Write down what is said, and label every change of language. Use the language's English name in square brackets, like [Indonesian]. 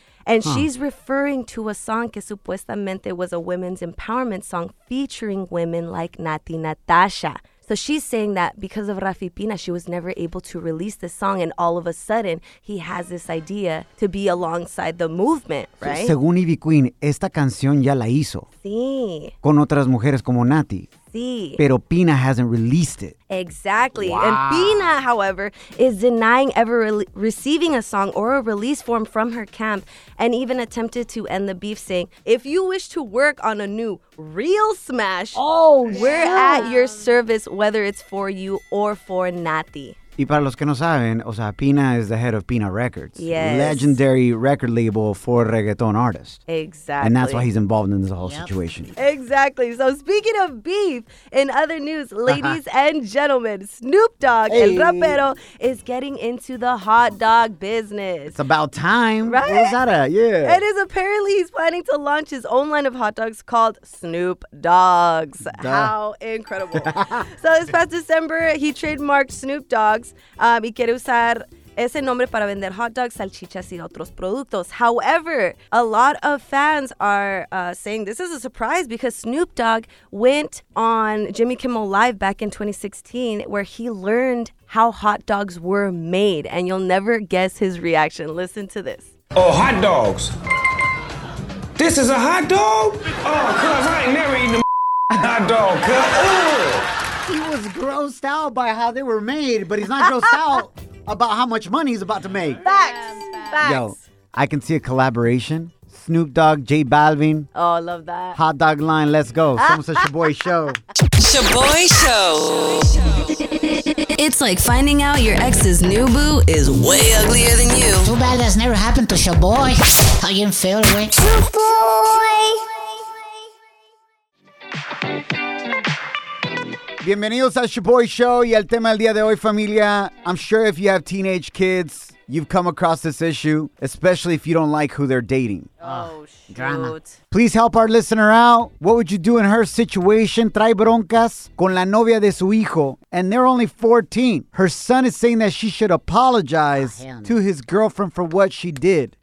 [English] And she's referring to a song [Spanish] que supuestamente [English] was a women's empowerment song featuring women like Nati Natasha. So she's saying that because of Rafi Pina, she was never able to release this song, and all of a sudden, he has this idea to be alongside the movement, right? [Spanish] Según Ivy Queen, esta canción ya la hizo. Sí. Con otras mujeres como Nati. [English] See. Pero Pina hasn't released it. Exactly. Wow. And Pina, however, is denying ever receiving a song or a release form from her camp and even attempted to end the beef saying, "If you wish to work on a new real smash, oh, we're at your service, whether it's for you or for Nati." [Spanish] Y para los que no saben, o sea, [English] Pina is the head of Pina Records. Yes. Legendary record label for reggaeton artists. Exactly. And that's why he's involved in this whole situation. Exactly. So speaking of beef, in other news, ladies and gentlemen, Snoop Dogg El Rapero is getting into the hot dog business. It's about time. Right? Where's that at? Yeah. And is apparently he's planning to launch his own line of hot dogs called Snoop Dogs. Duh. How incredible. So this past December, he trademarked Snoop Dogg. [Spanish] Y quiere usar ese nombre para vender hot dogs, salchichas y otros productos. [English] However, a lot of fans are saying this is a surprise because Snoop Dogg went on Jimmy Kimmel Live back in 2016 where he learned how hot dogs were made. And you'll never guess his reaction. Listen to this. Oh, hot dogs. This is a hot dog? Oh, cuz I ain't never eaten a hot dog, cuz. He was grossed out by how they were made, but he's not grossed out about how much money he's about to make. Facts. Yo, I can see a collaboration. Snoop Dogg, J Balvin. Oh, I love that. Hot dog line, let's go. Someone says Shaboy Show. Shaboy Show. It's like finding out your ex's new boo is way uglier than you. Too bad that's never happened to Shaboy. How you didn't fail away. Shaboy. [Spanish] Bienvenidos a Shaboy Show y el tema del día de hoy, familia. [English] I'm sure if you have teenage kids, you've come across this issue, especially if you don't like who they're dating. Oh, shoot. Drama. Please help our listener out. What would you do in her situation? [Spanish] Trae broncas con la novia de su hijo, [English] and they're only 14. Her son is saying that she should apologize to his girlfriend for what she did.